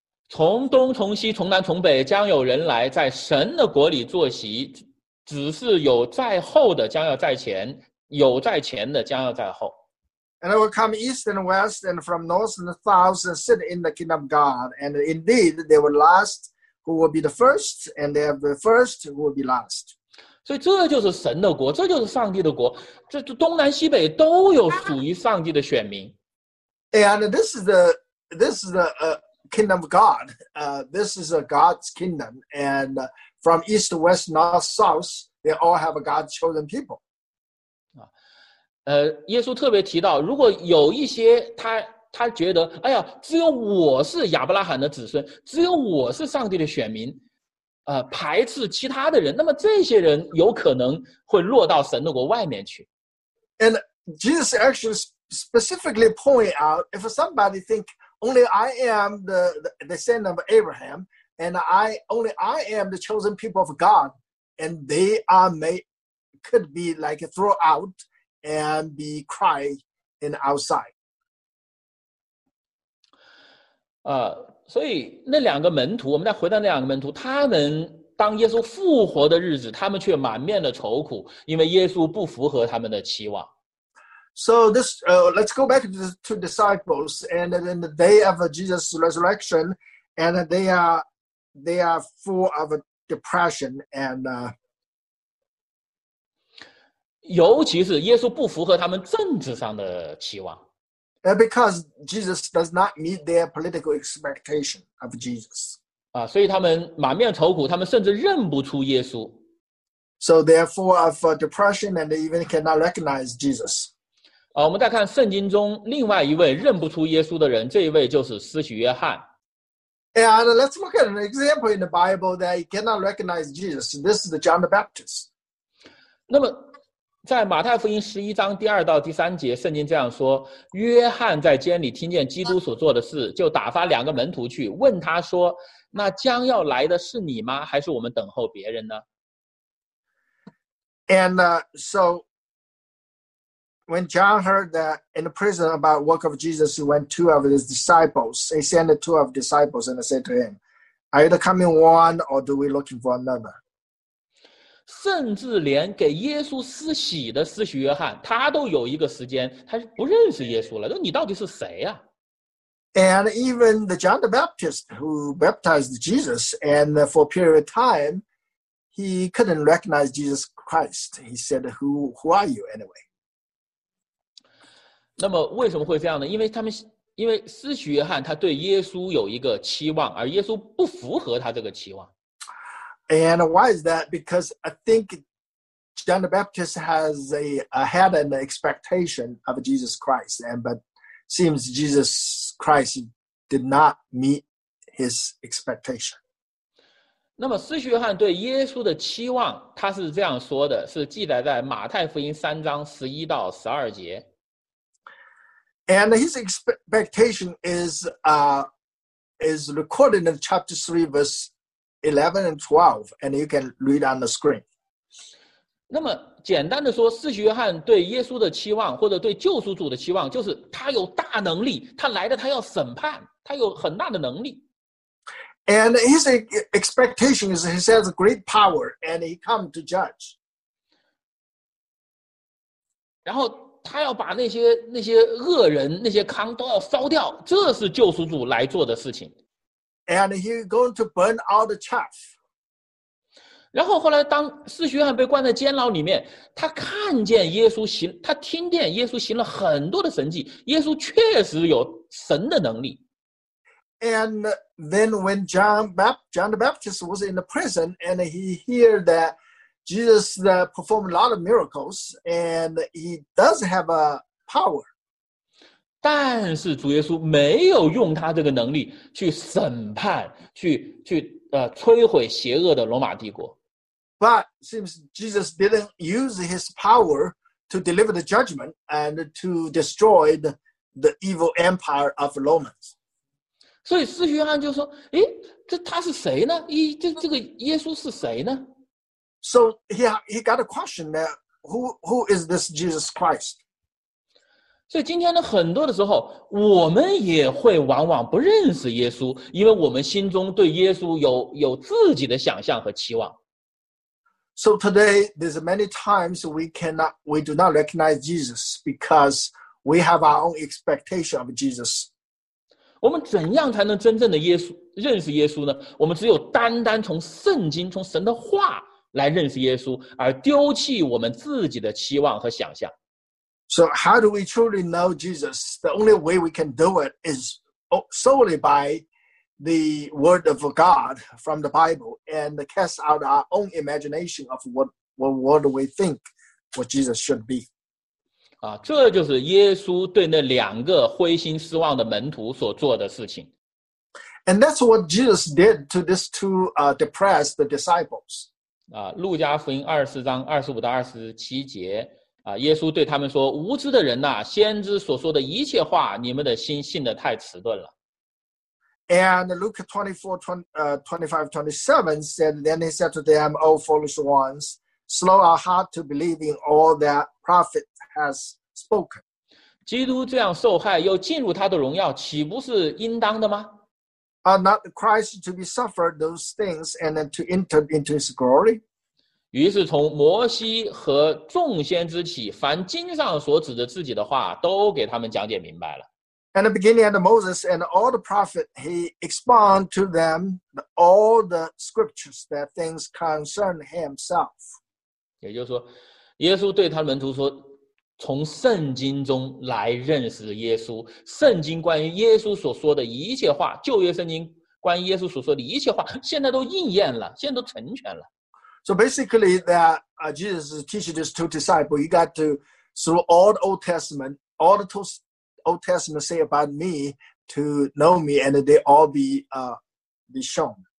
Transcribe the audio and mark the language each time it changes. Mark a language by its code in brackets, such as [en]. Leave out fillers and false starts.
[zh] 从东、从西、从南、从北，将有人来在神的国里坐席。只是有在后的将要在前，有在前的将要在后。 [en] And there will come east and west, and from north and south, and sit in the kingdom of God. And indeed, they will last. Who will be the first, and they have the first who will be last. [zh] 所以这就是神的国，这就是上帝的国，这东南西北都有属于上帝的选民。 [en] And this is the kingdom of God. This is a God's kingdom, and from east, west, north, south, they all have a God's chosen people. [zh] 耶稣特别提到，如果有一些他觉得，哎呀，只有我是亚伯拉罕的子孙，只有我是上帝的选民，排斥其他的人，那么这些人有可能会落到神的国外面去。 [en] And Jesus actually specifically point out, if somebody think only I am the son of Abraham, and I am the chosen people of God, and they are made, could be like throw out and be cried in outside. [zh] 所以那两个门徒，我们再回到那两个门徒，他们当耶稣复活的日子，他们却满面的愁苦，因为耶稣不符合他们的期望。 [en] So this, let's go back to the two disciples, and in the day of Jesus' resurrection, and they are full of depression and. [zh] 尤其是耶稣不符合他们政治上的期望。 [en] Because Jesus does not meet their political expectation of Jesus. [zh] 所以他们满面愁苦，他们甚至认不出耶稣。 [en] So they are full of depression and they even cannot recognize Jesus. [zh] 我们再看圣经中另外一位认不出耶稣的人，这一位就是施洗约翰。 [en] And let's look at an example in the Bible that he cannot recognize Jesus. This is the John the Baptist. [zh] 那么在马太福音11:2-3，圣经这样说，约翰在监里听见基督所做的事，就打发两个门徒去，问他说，那将要来的是你吗？还是我们等候别人呢？ [en] And so, when John heard that in the prison about work of Jesus, he went two of his disciples, he sent two of his disciples and said to him, Are you the coming one, or do we looking for another? [zh] 甚至连给耶稣施洗的施洗约翰，他都有一个时间，他不认识耶稣了。说你到底是谁呀、 [en] 啊、？And even the John the Baptist who baptized Jesus, and for a period of time, he couldn't recognize Jesus Christ. He said, "Who are you anyway?" [zh] 那么为什么会这样呢？因为施洗约翰他对耶稣有一个期望，而耶稣不符合他这个期望。 [en] And why is that? Because I think John the Baptist has had an expectation of Jesus Christ, but seems Jesus Christ did not meet his expectation. [zh] 那么施洗约翰对耶稣的期望，他是这样说的，是记载在马太福音3:11-12。 [en] And his expectation is recorded in chapter 3, verse 11 and 12, and you can read on the screen. [zh] 那么简单的说，使徒约翰对耶稣的期望或者对救赎主的期望，就是他有大能力，他来的他要审判，他有很大的能力。 [en] And his expectation is he has great power and he come to judge. [zh] 然后他要把那些恶人那些糠都要烧掉，这是救赎主来做的事情。 [en] And he going to burn all the chaff. [zh] 然后后来当使徒约翰被关在监牢里面，他看见耶稣行，他听见耶稣行了很多的神迹，耶稣确实有神的能力。 [en] And then when John the Baptist was in the prison and he hear that Jesus performed a lot of miracles and he does have a power. [zh] 但是主耶稣没有用他这个能力去审判，去摧毁邪恶的罗马帝国。 [en] But seems Jesus didn't use his power to deliver the judgment and to destroy the evil empire of Romans. [zh] 所以使徒约翰就说，诶，这他是谁呢？这个耶稣是谁呢？ [en] So he got a question that who is this Jesus Christ? [zh] 所以今天呢，很多的时候我们也会往往不认识耶稣，因为我们心中对耶稣有自己的想象和期望。 [en] So today, there's many times we do not recognize Jesus because we have our own expectation of Jesus. [zh] 我们怎样才能真正的认识耶稣呢？我们只有单单从圣经、从神的话来认识耶稣，而丢弃我们自己的期望和想象。 [en] So how do we truly know Jesus? The only way we can do it is solely by the word of God from the Bible and cast out our own imagination of what we think what Jesus should be. [zh] 啊，这就是耶稣对那两个灰心失望的门徒所做的事情。 [en] And that's what Jesus did to these two depressed disciples. [zh] 啊，路加福音24:25-27，啊，耶稣对他们说：“无知的人呐，先知所说的一切话，你们的心信得太迟钝了。” [en] And Luke 24:25-27 said, Then he said to them, O foolish ones, slow our heart to believe in all that prophet has spoken. [zh] 基督这样受害又进入他的荣耀，岂不是应当的吗？ [en] Are not Christ to be suffered those things and then to enter into his glory? [zh] 于是从摩西和众先知起，凡经上所指的自己的话，都给他们讲解明白了。 [en] And the beginning of Moses and all the prophets, he expound to them all the scriptures that things concern himself. [zh] 也就是说，耶稣对他的门徒说，从圣经中来认识耶稣，圣经关于耶稣所说的一切话，旧约圣经关于耶稣所说的一切话，现在都应验了，现在都成全了。 [en] So basically that Jesus teaches these two disciples, you got to, through all the Old Testament, all the two Old Testament say about me to know me, and they all be shown.